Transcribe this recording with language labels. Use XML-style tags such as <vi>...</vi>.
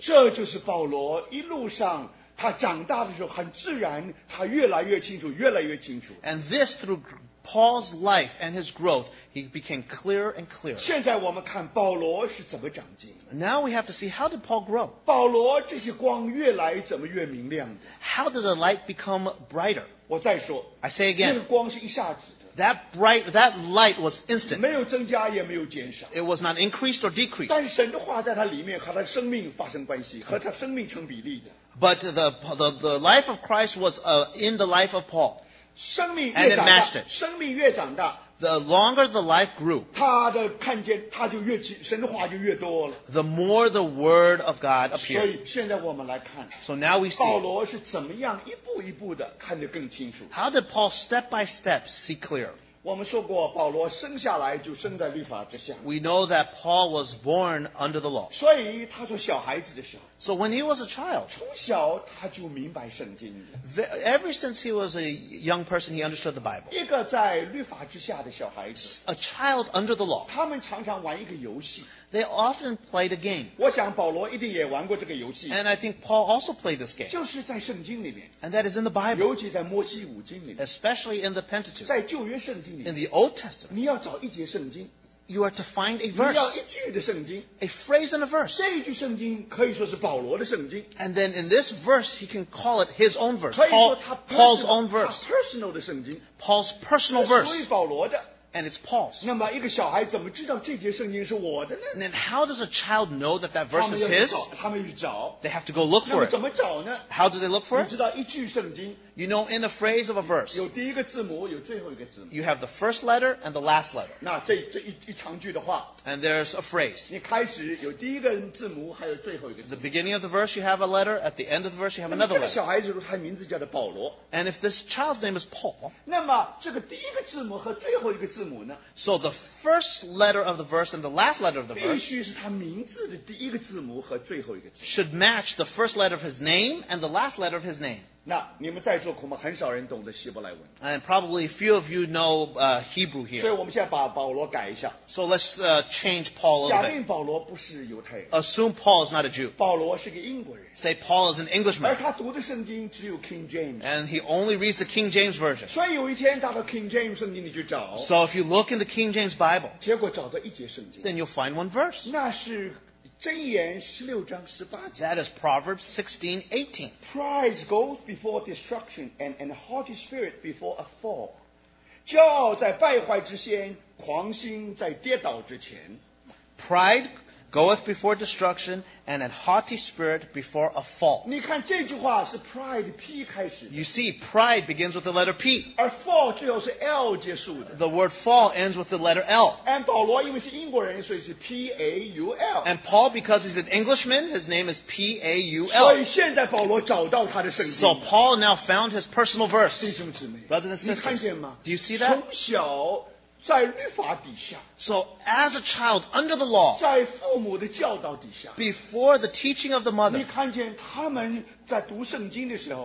<zh>这就是保罗一路上他长大的时候很自然他越来越清楚越来越清楚。</zh> <en>And this through Paul's life and his growth, he became clearer and clearer.</en> <zh>现在我们看保罗是怎么长进。</zh> <en>Now we have to see how did Paul grow?</en> <zh>保罗这些光越来怎么越明亮。</zh> <en>How did the light become brighter?</en> <zh>我再说。</zh> <en>I say again.</en> <zh>这个光是一下子。</zh> <en>That light was instant.</en> <zh>没有增加也没有减少。</zh> <en>It was not increased or decreased.</en> <zh>但神的话在他里面和他生命发生关系，和他生命成比例的。</zh> <en>But the life of Christ was in the life of Paul.</en> <zh>生命越长大,</zh> <en>and it matched it.</en> <zh>生命越长大,</zh> <en>the longer the life grew,</en> <zh>他的看见他就越神的话就越多了,</zh> <en>the more the word of God appeared.</en> <zh>所以现在我们来看,</zh> <en>so now we see,</en> <zh>保罗是怎么样一步一步的看得更清楚。</zh> <en>How did Paul step by step see clear?</en> <zh>我们说过保罗生下来就生在律法之下。</zh> <en>We know that Paul was born under the law.</en> <zh>所以他说小孩子的时候,</zh> <en>so when he was a child,</en> <zh>从小他就明白圣经。</zh> <en>Ever since he was a young person, he understood the Bible.</en> <zh>一个在律法之下的小孩子,</zh> <en>a child under the law,</en> <zh>他们常常玩一个游戏。</zh> <en>They often played a game.</en> <zh>我想保罗一定也玩过这个游戏。</zh> <en>And I think Paul also played this game.</en> <zh>就是在圣经里面。</zh> <en>And that is in the Bible.</en> <zh>尤其在摩西五经里面。</zh> <en>Especially in the Pentateuch.</en> <zh>在旧约圣经里面。</zh> <en>In the Old Testament.</en> <zh>你要找一节圣经。</zh> <en>You are to find a verse.</en> <zh>你要一句的圣经。</zh> <en>A phrase and a verse.</en> <zh>这一句圣经可以说是保罗的圣经。</zh> <en>And then in this verse, he can call it his own verse. Paul's own verse.</en> <zh>他 personal 的圣经。</zh> <en>Paul's personal verse.</en> <zh>这是属于保罗的。</zh> <en>And it's Paul's.</en> <zh>那么一个小孩怎么知道这节圣经是我的呢？</zh> <en>Then how does a child know that that verse is his?</en> <zh>他们要找。</zh> <en>They have to go look for it.</en> <zh>那么怎么找呢？</zh> <en>How do they look for it?</en> <zh>你知道一句圣经。</zh> <en>You know in a phrase of a verse.</en> <zh>有第一个字母，有最后一个字母。</zh> <en>You have the first letter and the last letter.</en> <zh>那这一长句的话。</zh> <en>And there's a phrase.</en> <zh>你开始有第一个字母，还有最后一个字母。</zh> <en>The beginning of the verse you have a letter. At the end of the verse you have another letter.</en> <zh>那么这个小孩子他名字叫做保罗。</zh> <en>And if this child's name is Paul.</en> <zh>那么这个第一个字母和最后一个字母。</zh> <en>So the first letter of the verse and the last letter of the verse should match the first letter of his name and the last letter of his name.</en> <zh>那你们在座恐怕很少人懂得希伯来文。</zh> <en>And probably few of you know Hebrew here.</en> <zh>所以我们现在把保罗改一下。</zh> <en>So let's change Paul a little bit.</en> <zh>假定保罗不是犹太人。</zh> <en>Assume Paul is not a Jew.</en> <zh>保罗是个英国人。</zh> <en>Say Paul is an Englishman.</en> <zh>而他读的圣经只有 King James.</zh> <en>And he only reads the King James version.</en> <zh>所以有一天到了 King James 圣经你就找。</zh> <en>So if you look in the King James Bible.</en> <zh>结果找到一节圣经。</zh> <en>Then you'll find one verse.</en> <zh>那是。箴言十六章十八节。</zh> <en>That is Proverbs 16:18. Pride goes before destruction, and an haughty spirit before a fall.</en> <zh>骄傲在败坏之先，狂心在跌倒之前。</zh> <en>Pride goeth before destruction, and an haughty spirit before a fall.</en> <zh>你看这句话是 pride P 开始。</zh> <en>You see, pride begins with the letter P.</en> <zh>而 fall 最后是 L 结束的。</zh> <en>The word fall ends with the letter L.</en> <zh>And 保罗因为是英国人，所以是 P-A-U-L.</zh> <en>And Paul, because he's an Englishman, his name is P-A-U-L.</en> <zh>所以现在保罗找到他的圣经。</zh> <en>So Paul now found his personal verse.</en> <zh>弟兄姊妹。</zh> <en>Brothers and sisters.</en> <zh>你看见吗？</zh> <en>Do you see that?</en> <zh>从小在律法底下。</zh> <en>So as a child under the law.</en> <zh>在父母的教导底下。</zh> <en>Before the teaching of the mother.</en> <zh>你看见他们在读圣经的时候。</zh>